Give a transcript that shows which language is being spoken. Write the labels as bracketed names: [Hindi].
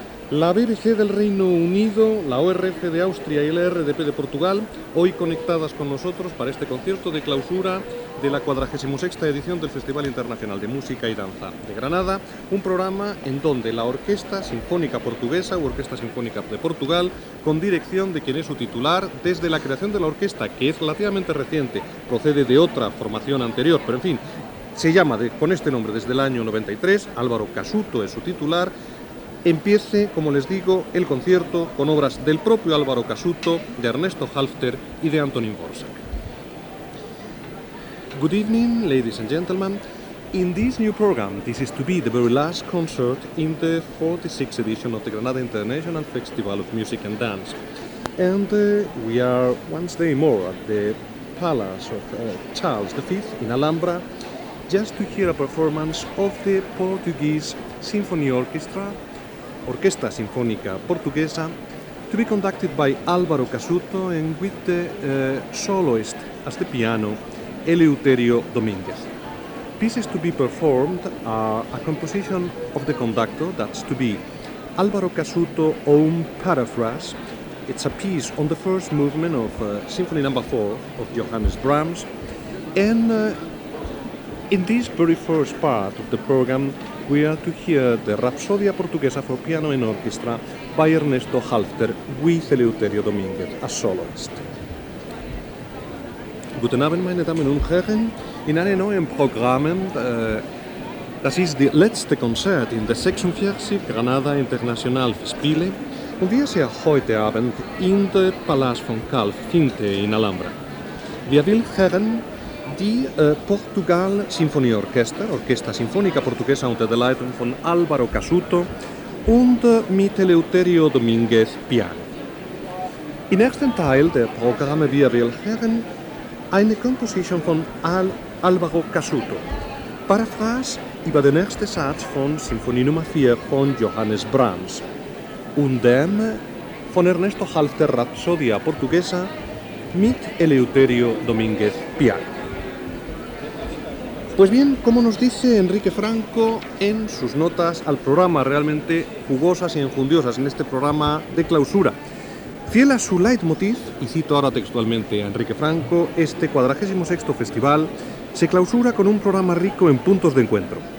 [Spanish] La BBC del Reino Unido, la ORF de Austria y la RDP de Portugal, hoy conectadas con nosotros para este concierto de clausura de la 46ª edición del Festival Internacional de Música y Danza de Granada, un programa en donde la Orquesta Sinfónica Portuguesa, o Orquesta Sinfónica de Portugal, con dirección de quien es su titular, desde la creación de la orquesta, que es relativamente reciente, procede de otra formación anterior, pero en fin, se llama con este nombre desde el año 93, Álvaro Casuto es su titular, empiece, como les digo, el concierto con obras del propio Álvaro Casuto, de Ernesto Halfter y de Antonín Borsa. [English] Good evening, ladies and gentlemen. In this new program, this is to be the very last concert in the 46th edition of the Granada International Festival of Music and Dance. And we are once day more at the Palace of Charles V in Alhambra, just to hear a performance of the Portuguese Symphony Orchestra, Orquesta Sinfónica Portuguesa, to be conducted by Álvaro Casuto and with the soloist as the piano, Eleuterio Domínguez. Pieces to be performed are a composition of the conductor, that's to be Álvaro Casuto own paraphrase. It's a piece on the first movement of Symphony No. 4 of Johannes Brahms. And in this very first part of the program, we are to hear the Rapsodia Portuguesa for piano and orchestra by Ernesto Halfter with Eleuterio Domínguez as soloist. [German] Guten Abend, meine Damen und Herren. In einem neuen Programm Das ist die letzte Konzert in der 46 Granada International Spiele und wir sind heute Abend in der Palast von Karl Finte in Alhambra. Wir wollen die Portugal Symphony Orchestra, Orquesta Sinfónica Portuguesa unter der Leitung von Álvaro Casuto und mit Eleuterio Domínguez Piano. Im ersten Teil der Programme wir wollen eine Composition von Álvaro Casuto. Paraphrase über den ersten Satz von Sinfonie Nummer 4 von Johannes Brahms und dem von Ernesto Halter Rapsodia Portuguesa mit Eleuterio Domínguez Piano. [Spanish] Pues bien, como nos dice Enrique Franco en sus notas al programa, realmente jugosas y enjundiosas en este programa de clausura. Fiel a su leitmotiv, y cito ahora textualmente a Enrique Franco, este 46º festival se clausura con un programa rico en puntos de encuentro.